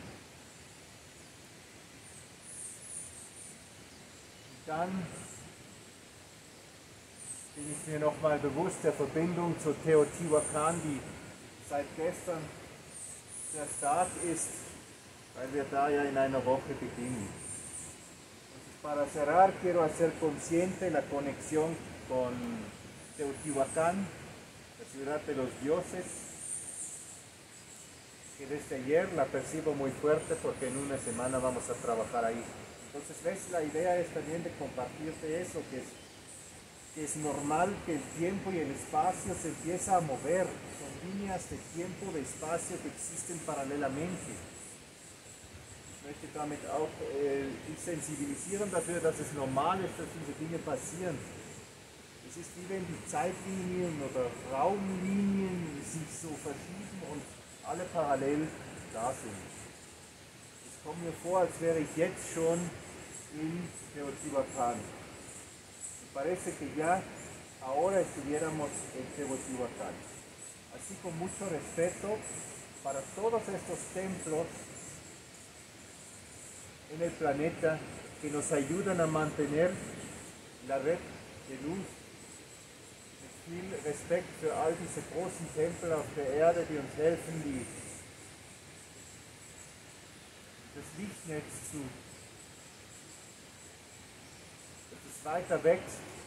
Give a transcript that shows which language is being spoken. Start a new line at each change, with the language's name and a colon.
German: Und dann bin ich mir nochmal bewusst der Verbindung zur Teotihuacan, die seit gestern der Start ist, weil wir da ja in einer Woche beginnen.
Spanish: Entonces, para cerrar, quiero hacer consciente la conexión con Teotihuacan, la ciudad de los dioses, que desde ayer la percibo muy fuerte porque en una semana vamos a trabajar ahí. Entonces, ¿ves? La idea es también de compartirte eso, que es normal que el tiempo y el espacio se empieza a mover. Son líneas de tiempo, de espacio que existen paralelamente.
German: Möchte damit auch sensibilisieren dafür, dass es normal ist, dass diese Dinge passieren. Es ist wie wenn die Zeitlinien oder Raumlinien sich so verschieben und alle parallel da sind. Es kommt mir vor, als wäre ich jetzt schon in Teotihuacan.
Spanish: Parece que ya ahora estuviéramos en Teotihuacán. Así, con mucho respeto para todos estos templos en el planeta que nos ayudan a mantener la red de luz.
German: Viel Respekt für all diese großen Tempel auf der Erde, die uns helfen, das Lichtnetz zu, dass es weiter wächst.